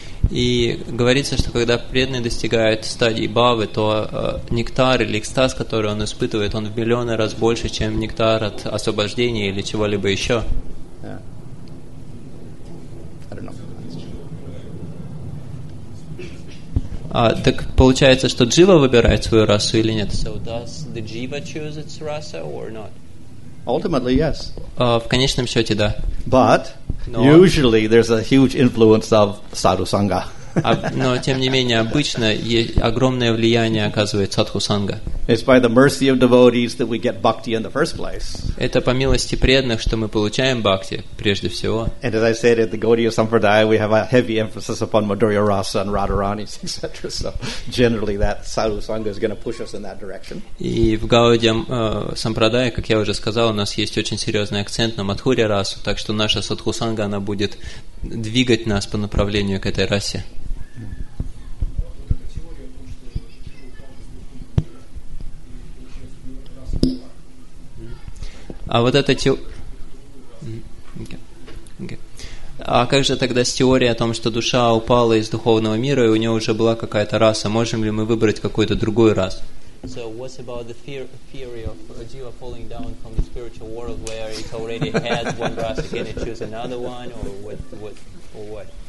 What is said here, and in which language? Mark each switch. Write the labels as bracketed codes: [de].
[ru] И говорится, что когда преданный достигает стадии бхавы, то нектар или экстаз, который он испытывает, он в миллионы раз больше, чем нектар от освобождения или чего-либо еще. Так получается, что джива выбирает свою расу или нет? [en] So does the jiva choose its rasa or not? Ultimately, yes. [ru] В конечном счете, да. [en] But usually there's a huge influence of sadhu sangha. [ru] Но тем не менее обычно огромное влияние оказывает садху санга. [en] It's by the mercy of devotees that we get bhakti in the first place. [ru] Это по милости преданных, что мы получаем бхакти прежде всего. [en] And as I said at the Gaudiya Sampradaya, we have a heavy emphasis upon Madhurya Rasa and Radharanis, etc. So generally, that sadhu sangha is going to push us in that direction. [ru] И в Гаудия Сампрадая, как я уже сказал, у нас есть очень серьезный акцент на Мадхурья Расу, так что наша садху санга она будет двигать нас по направлению к этой расе. А вот эта теория... А как же тогда с теорией о том, что душа упала из духовного мира, и у нее уже была какая-то раса? Можем ли мы выбрать какую-то другую расу? [en] So what's about the theory of jiva falling down from the spiritual world where it already has one rasa, can it choose another one, or what?